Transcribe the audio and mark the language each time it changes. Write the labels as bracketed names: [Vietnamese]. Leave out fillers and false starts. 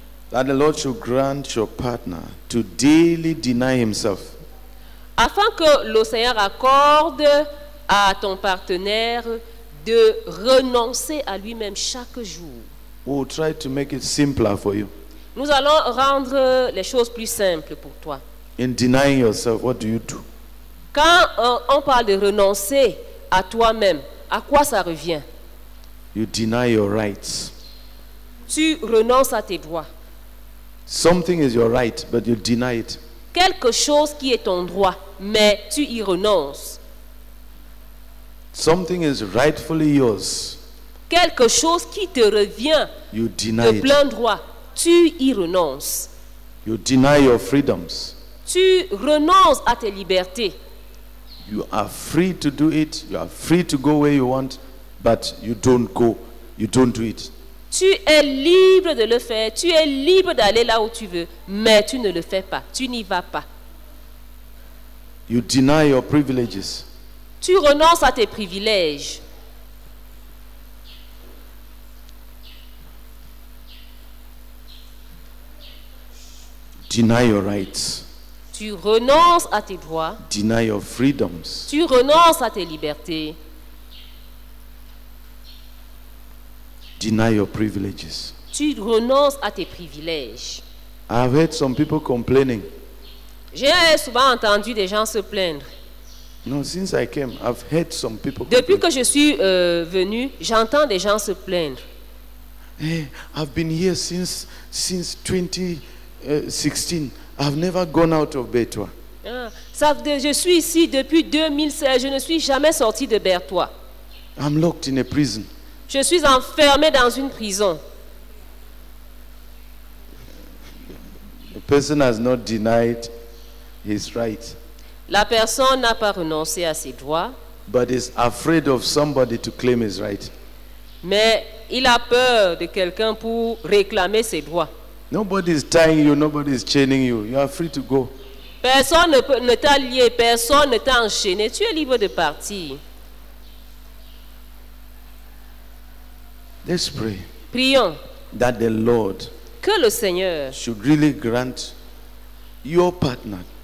[English] That the Lord should grant your partner to daily deny himself. [French] Afin que le Seigneur accorde à ton partenaire de renoncer à lui-même chaque jour. [English] We'll try to make it simpler for you. [French] Nous allons rendre les choses plus simples pour toi. [English] In denying yourself, what do you do? [French] Quand on parle de renoncer à toi-même, à quoi ça revient? [English] You deny your rights. [French] Tu renonces à tes droits. [English] Something is your right, but you deny it. [French] Quelque chose qui est ton droit, mais tu y renonces. [English] Something is rightfully yours. [French] Quelque chose qui te revient [English] you deny [French] de plein droit, tu y renonces. [English] You deny your freedoms. [French] Tu renonces à tes libertés. [English] You are free to do it. You are free to go where you want. But you don't go, you don't do it. [French] Tu es libre de le faire, tu es libre d'aller là où tu veux, mais tu ne le fais pas, tu n'y vas pas. [English] You deny your privileges. [French] Tu renonces à tes privilèges. [English] Deny your rights. [French] Tu renonces à tes droits. [English] Deny your freedoms. [French] Tu renonces à tes libertés. [English] Deny your privileges. [French] Tu renonces à tes privilèges. [English] I've heard some people complaining. [French] J'ai souvent entendu des gens se plaindre. [English] No, since I came, I've heard some people complain. [French] Depuis que je suis venu, j'entends des gens se plaindre. [English] Hey, I've been here since 2016. I've never gone out of Bethwa. [French] Je suis ici depuis 2016. Je ne suis jamais sorti de Bethwa. [English] I'm locked in a prison. [French] Je suis enfermé dans une prison. [English] The person has not denied his right. [French] La personne n'a pas renoncé à ses droits. [English] But is afraid of somebody to claim his right. [French] Mais il a peur de quelqu'un pour réclamer ses droits. [English] Nobody is tying you, nobody is chaining you. You are free to go. [French] Personne ne t'a lié, personne ne t'a enchaîné. Tu es libre de partir. [English] Let's pray. [French] Prions. [English] That the Lord [French] que le Seigneur [English] should really grant your partner.